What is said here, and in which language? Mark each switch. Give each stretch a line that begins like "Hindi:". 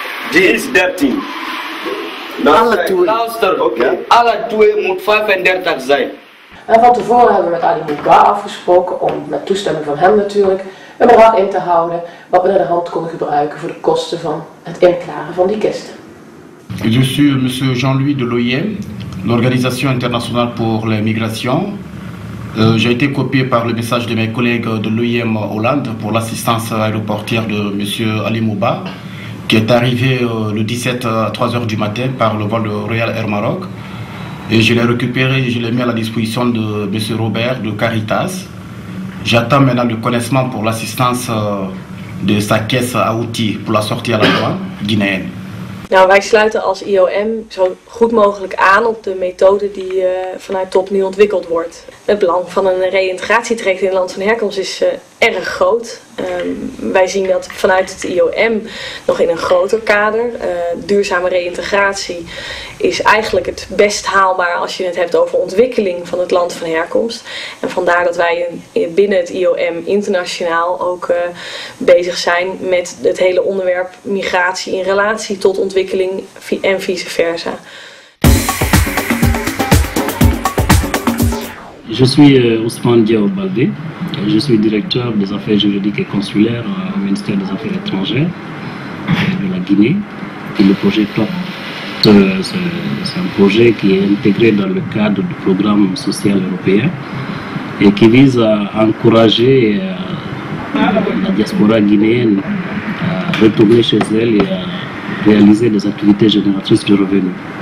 Dutch: Die is 13. Alle twee. Luister, oké. Alle twee moet 35 zijn. En van tevoren hebben we met Ali Mubarak afgesproken om, met toestemming van hem natuurlijk, een bedrag in te houden wat we naar de hand konden gebruiken voor de kosten van het inklaren van die kisten.
French: Je suis monsieur Jean-Louis de Loyer, l'Organisation internationale pour les migrations. J'ai été copié par le message de mes collègues de l'OIM Hollande pour l'assistance aéroportière de monsieur Ali Mouba, qui est arrivé le 17 à 3h du matin par le vol de Royal Air Maroc. Et je l'ai récupéré et je l'ai mis à la disposition de monsieur Robert de Caritas. J'attends maintenant le connaissement pour l'assistance de sa caisse à outils pour la sortie à la voie guinéenne.
Dutch: Nou, wij sluiten als IOM zo goed mogelijk aan op de methode die vanuit TOP nu ontwikkeld wordt. Het belang van een reïntegratietraject in het land van herkomst is erg groot. Wij zien dat vanuit het IOM nog in een groter kader. Duurzame reïntegratie is eigenlijk het best haalbaar als je het hebt over ontwikkeling van het land van herkomst. En vandaar dat wij binnen het IOM internationaal ook bezig zijn met het hele onderwerp migratie in relatie tot ontwikkeling en vice versa.
French: Je suis Ousmane Diao-Baldé, je suis directeur des affaires juridiques et consulaires au ministère des Affaires étrangères de la Guinée. Et le projet TOP, c'est un projet qui est intégré dans le cadre du programme social européen et qui vise à encourager la diaspora guinéenne à retourner chez elle et à réaliser des activités génératrices de revenus.